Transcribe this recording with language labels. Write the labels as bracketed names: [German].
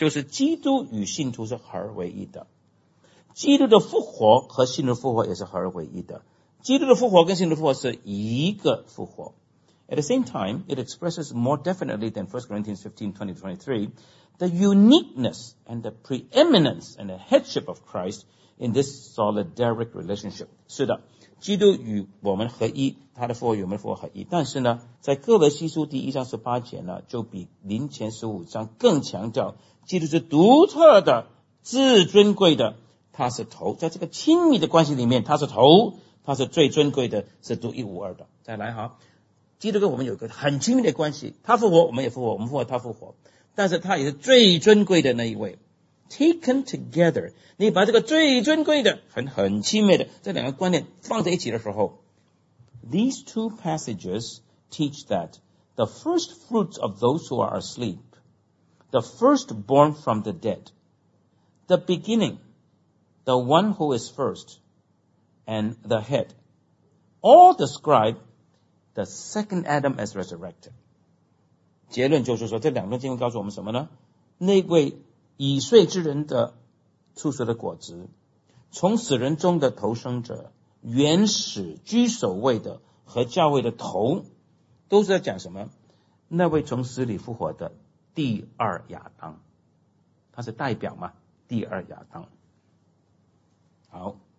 [Chinese] 就是基督与信徒是合而为一的，基督的复活和信徒复活也是合而为一的。基督的复活跟信徒的复活是一个复活。 [English] At the same time, it expresses more definitely than 1 Corinthians 15:20-23 the uniqueness and the preeminence and the headship of Christ in this solidaric relationship. [Chinese] 是的，基督与我们合一，他的复活与我们复活合一。但是呢，在哥罗西书第一章十八节呢，就比林前十五章更强调，基督是独特的、至尊贵的，他是头。在这个亲密的关系里面，他是头。他是最尊贵的，是独一无二的。再来哈，基督跟我们有一个很亲密的关系，他复活我们也复活，我们复活他复活，但是他也是最尊贵的那一位。 [English] Taken together， [Chinese] 你把这个最尊贵的很亲密的这两个观念放在一起的时候， [English] These two passages teach that the first fruits of those who are asleep, the first born from the dead, the beginning, the one who is firstAnd the head, all describe the second Adam as resurrected. [Chinese] 结论就是说，这两段经文告诉我们什么呢？那位已睡之人的出世的果子，从死人中的头生者，原始居首位的和教会的头，都是在讲什么？那位从死里复活的第二亚当，他是代表嘛？第二亚当。好。